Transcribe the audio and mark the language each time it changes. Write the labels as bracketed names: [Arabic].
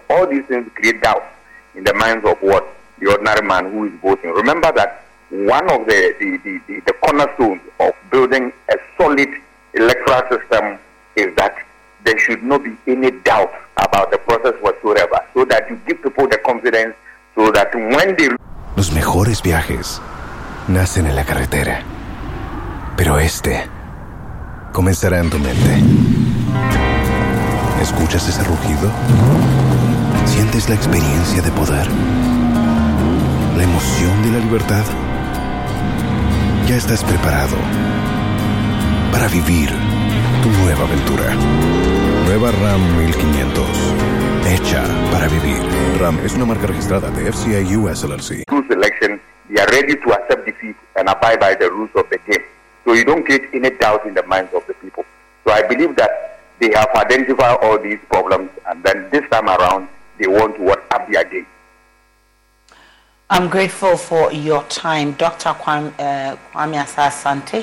[English] All these things create doubt in the minds of the ordinary man who is voting. Remember that one of the cornerstones of building a solid electoral system is that there should not be any doubt about the process whatsoever, so that you give people the confidence, so that when they... [Spanish] Los mejores viajes nacen en la carretera, pero este comenzará en tu mente. ¿Escuchas ese rugido? ¿Sientes la experiencia de poder? ¿La emoción de la libertad? Ya estás preparado para vivir tu nueva aventura. Nueva Ram 1500. Hecha para vivir. Ram es una marca registrada de FCA US LLC. [English] Through selection, they are ready to accept defeat and abide by the rules of the game. So you don't get any doubt in the minds of the people. So I believe that they have identified all these problems, and then this time around, they want to work up their game. I'm grateful for your time, Dr. Kwame Asante.